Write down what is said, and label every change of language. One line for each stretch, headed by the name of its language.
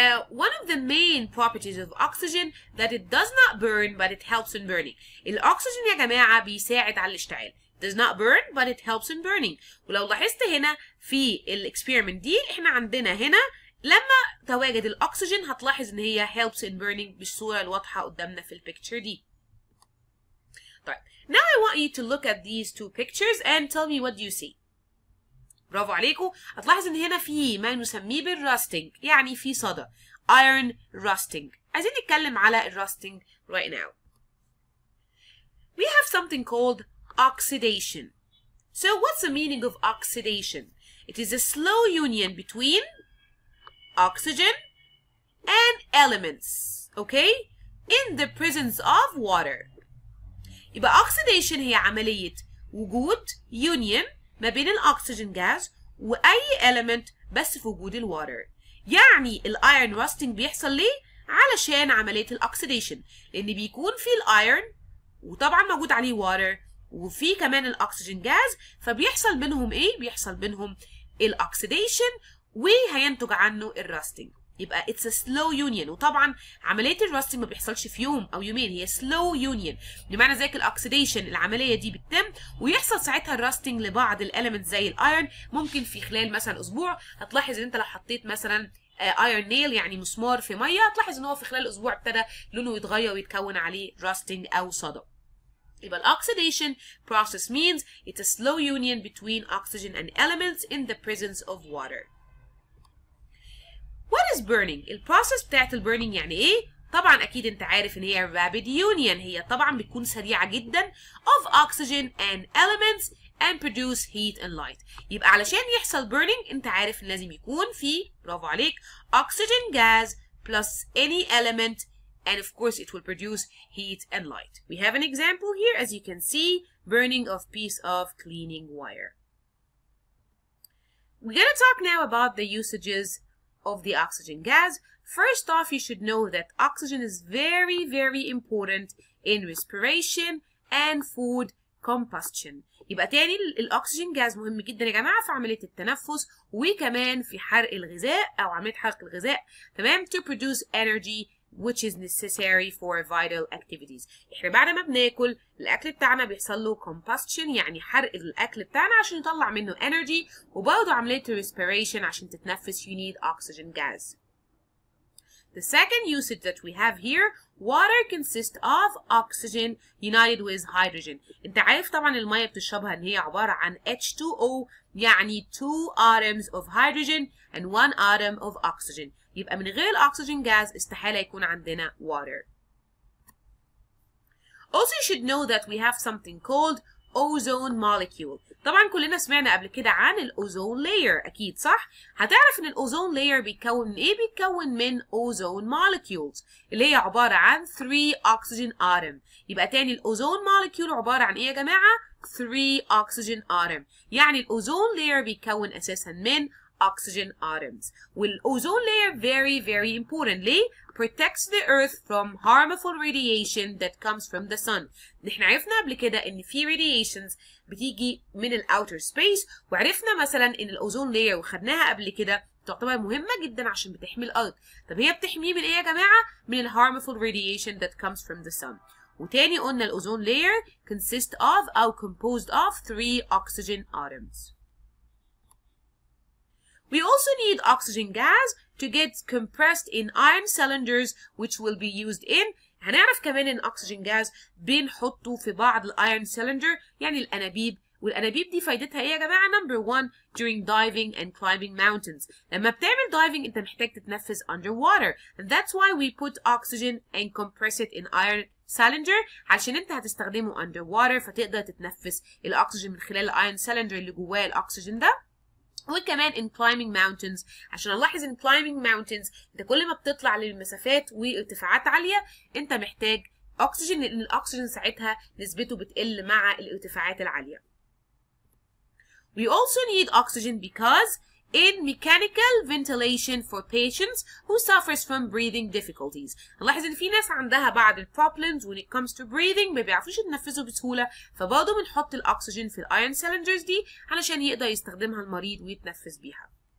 English: One of the main properties of oxygen that it does not burn but it helps in burning.
Arabic: الأكسجين يا جماعة بيساعد على الاشتعال.
English: Does not burn but it helps in burning.
Arabic: ولو لاحظت هنا في الاكسبيرمنت دي احنا عندنا هنا لما تواجد الأكسجين هتلاحظ ان هي
English: helps in burning
Arabic: بالصورة الواضحة قدامنا في البيكتشر دي. طيب.
English: Now I want you to look at these two pictures and tell me what you see.
Arabic: برافو عليكم. هتلاحظ ان هنا في ما نسميه بالراستنج يعني في صدى iron rusting. عايزين نتكلم على الراستنج
English: right now. We have something called oxidation. So what's the meaning of oxidation? It is a slow union between oxygen and elements, okay, in the presence of water.
Arabic: يبقى oxidation هي عملية وجود union ما بين الأكسجين غاز وأي element بس في وجود الواتر. يعني الأيرون rusting بيحصل ليه؟ علشان عملية الأكسيديشن. لأن بيكون في الأيرون وطبعا موجود عليه واتر وفي كمان الأكسجين غاز فبيحصل منهم إيه؟ بيحصل منهم الأكسيديشن وهينتج عنه الراستنج. يبقى
English: it's a slow union
Arabic: وطبعا عملية الراستنج ما بيحصلش في يوم أو يومين. هي
English: slow union
Arabic: بمعنى ذلك الأكسيديشن العملية دي بتتم ويحصل ساعتها الراستنج لبعض الألمنت زي الأيرون ممكن في خلال مثلا أسبوع. هتلاحظ إن أنت لو حطيت مثلا أيرون نيل يعني مسمار في مية هتلاحظ إن هو في خلال أسبوع ابتدى لونه يتغير ويتكون عليه راستنج أو صدى. يبقى الأكسيديشن
English: process means it's a slow union between oxygen and elements in the presence of water. What is burning? The process of burning
Arabic: يعني إيه؟ طبعا اكيد انت عارف ان هي
English: rapid union،
Arabic: هي طبعا بتكون سريعة جدا
English: of oxygen and elements and produce heat and light.
Arabic: يبقى علشان يحصل
English: burning
Arabic: انت عارف ان لازم يكون في، برافو عليك،
English: oxygen gas plus any element and of course it will produce heat and light. We have an example here as you can see, burning of piece of cleaning wire. We're going to talk now about the usages of the oxygen gas. First off, you should know that oxygen is very, very important in respiration and food combustion.
Arabic: يبقى تاني الأكسجين جاز مهم جدا يا جماعة في عملية التنفس وكمان في حرق الغذاء أو عملية حرق الغذاء، تمام؟
English: To produce energy which is necessary for vital activities.
Arabic: إحنا بعد ما بناكل الأكل بتاعنا بيحصل له combustion يعني حرق الأكل بتاعنا عشان يطلع منه energy، وبرضه عملية respiration عشان تتنفس
English: you need oxygen gas. The second usage that we have here, water consists of oxygen united with hydrogen.
Arabic: انت عارف طبعا المية بتشربها ان هي عبارة عن H2O يعني
English: two atoms of hydrogen and one atom of oxygen.
Arabic: يبقى من غير الأكسجين جاز استحالة يكون عندنا water.
English: Also you should know that we have something called ozone molecule.
Arabic: طبعا كلنا سمعنا قبل كده عن الأوزون layer أكيد صح؟ هتعرف إن الأوزون layer بيتكون من إيه؟ بيتكون من أوزون molecules اللي هي عبارة عن 3 oxygen atom. يبقى تاني الأوزون molecule عبارة عن إيه يا جماعة؟ 3 oxygen atom. يعني الأوزون layer بيتكون أساسا من oxygen atoms.
English: والأوزون layer very very importantly protects the earth from harmful radiation that comes from the sun.
Arabic: نحن عرفنا قبل كده إن في radiations بتيجي من الاوتر سبيس، وعرفنا مثلا ان الاوزون لاير وخدناها قبل كده تعتبر مهمه جدا عشان بتحمي الارض. طب هي بتحميه من ايه يا جماعه؟ من
English: الهارمفول radiation that comes from the sun.
Arabic: وتاني قلنا
English: الاوزون layer consist of or composed of 3 oxygen atoms. We also need oxygen gas to get compressed in iron cylinders which will be used in.
Arabic: هنعرف كمان ان اكسجين جاز بنحطه في بعض الايرون سيلندر يعني الانابيب، والانابيب دي فايدتها ايه يا جماعه؟ نمبر 1
English: during diving and climbing mountains.
Arabic: لما بتعمل دايفنج انت محتاج تتنفس
English: under water and that's why we put oxygen and compress it in iron cylinder
Arabic: عشان انت هتستخدمه
English: under water
Arabic: فتقدر تتنفس الاكسجين من خلال الايرون سيلندر اللي جواه الاكسجين ده. وكمان
English: in climbing mountains
Arabic: عشان نلاحظ in climbing mountains انت كل ما بتطلع للمسافات وارتفاعات عالية انت محتاج oxygen لان الاكسجين ساعتها نسبته بتقل مع الارتفاعات العالية.
English: We also need oxygen because in mechanical ventilation for patients who suffers from breathing difficulties.
Arabic: نلاحظ ان في ناس عندها بعض ال problems
English: when it comes to breathing
Arabic: ما بيعرفوش يتنفسوا بسهولة، فبرضه بنحط الأكسجين في الأيرون سيلندرز دي علشان يقدر يستخدمها المريض ويتنفس بيها.